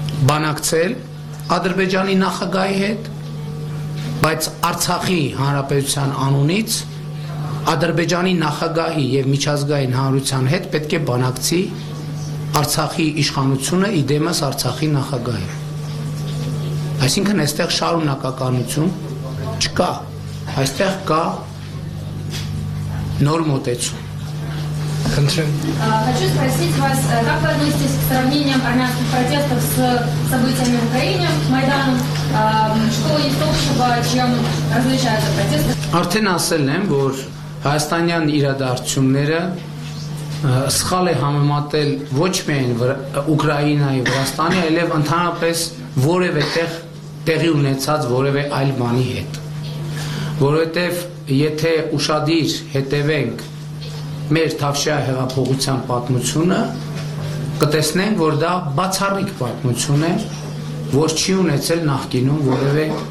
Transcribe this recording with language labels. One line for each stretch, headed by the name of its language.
Armenian: բանակցել Ադրբեջանի նախագահի հետ, բայց Արցախի Հանրապետության անունից Ադրբեջանի նախագահի եւ միջազգային հանրության հետ պետք է բանակցի Արցախի իշխանությունը, իդեմս Արցախի նախագահին։ Այսինքն այստեղ շարունակականություն չկա, այստեղ կա նոր մոտեցում։ Խնդրեմ։
Russian: Хочу спросить вас, как вы относитесь к сравнениям армянских протестов с событиями в Украине, Майданом, что есть общего, чем различаются протесты?
Armenian: Արդեն ասել եմ, որ հայաստանյան իրադարձությունները սխալ է համեմատել ոչ միայն Ուկրաինայի Վրաստանի, այլև ընդհանրապես որևէ տեղ տեղի ունեցած որևէ այլ բանի հետ, որովհետև եթե ուշադիր հետևենք մեր Թավշյա հեղափոխության պատմությունը, կտեսնենք, որ դա բացառիկ պատմություն է, որ չի ունեցել նախկինում որևէ